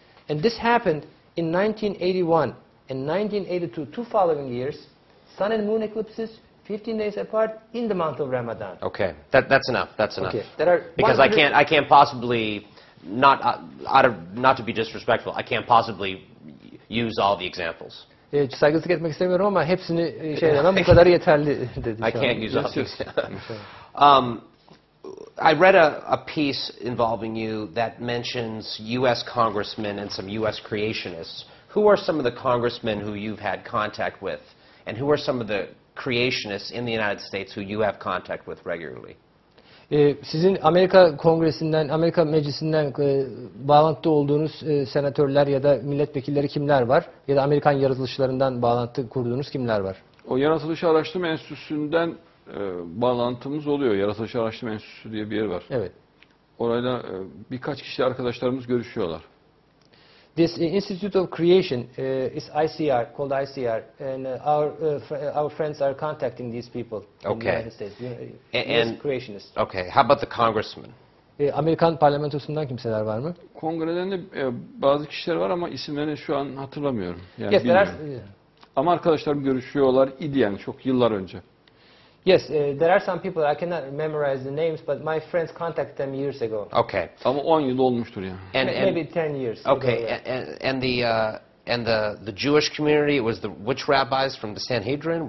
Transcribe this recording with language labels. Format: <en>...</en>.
<en>And this happened in 1981 and 1982, two following years, sun and moon eclipses, 15 days apart in the month of Ramadan. Okay, that's enough. Okay. There are because I can't possibly... Not out of not to be disrespectful, I can't possibly use all the examples.</en> <tr>Saygısı getmek istemiyorum ama hepsini ama bu kadar yeterli dedi.</tr> <en>I can't use all the examples. I read a piece involving you that mentions U.S. congressmen and some U.S. creationists. Who are some of the congressmen who you've had contact with, and who are some of the creationists in the United States who you have contact with regularly?</en> <tr>Sizin Amerika Kongresi'nden, Amerika Meclisi'nden bağlantılı olduğunuz senatörler ya da milletvekilleri kimler var? Ya da Amerikan yaratılışlarından bağlantı kurduğunuz kimler var? O Yaratılış Araştırma Enstitüsü'nden bağlantımız oluyor. Yaratılış Araştırma Enstitüsü diye bir yer var. Evet. Orayla birkaç kişi arkadaşlarımız görüşüyorlar.</tr> <en>This Institute of Creation is ICR, called ICR, and our friends are contacting these people okay. in the United States. And creationists. Okay. How about the congressmen?</en> <tr>Amerikan parlamentosundan kimseler var mı? Kongreden de bazı kişiler var ama isimlerini şu an hatırlamıyorum. Yani</tr> <en>yes,</en> <tr>bilmiyorum.</tr> <en>There are.</en> <tr>Ama arkadaşlarım görüşüyorlar idi yani çok yıllar önce.</tr> <en>Yes, there are some people I cannot memorize the names, but my friends contacted them years ago. Okay.</en> <tr>Ama 10 yıl olmuştur yani.</tr> <en>And maybe 10 years. Okay. And the Jewish community, it was the which rabbis from the Sanhedrin?</en>